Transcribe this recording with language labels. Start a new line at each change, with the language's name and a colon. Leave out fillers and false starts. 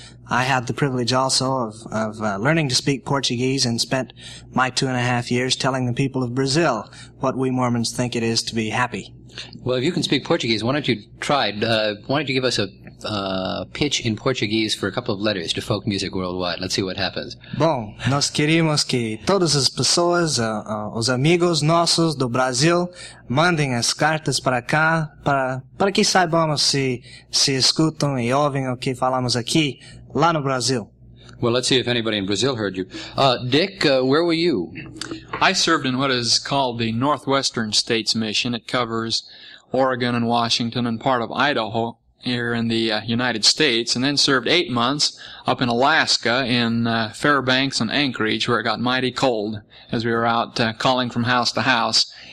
English: I had the privilege also of learning to speak Portuguese and spent my 2.5 years telling the people of Brazil what we Mormons think it is to be happy. Well, if you can speak Portuguese, why don't you try? Why don't you give us a pitch in Portuguese for a couple of letters to Folk Music Worldwide? Let's see what happens.
Portuguese: Bom, nós queremos que todas as pessoas, os amigos nossos do Brasil, mandem as cartas para cá, para que saibamos se escutam e ouvem o que falamos aqui, lá no Brasil.
English: Well, let's see if anybody in Brazil heard you. Dick, where were you? I served in what is called the Northwestern States Mission. It covers Oregon and Washington and part of Idaho here in the United States, and then served 8 months up in Alaska in Fairbanks and Anchorage, where it got mighty cold as we were out calling from house to house.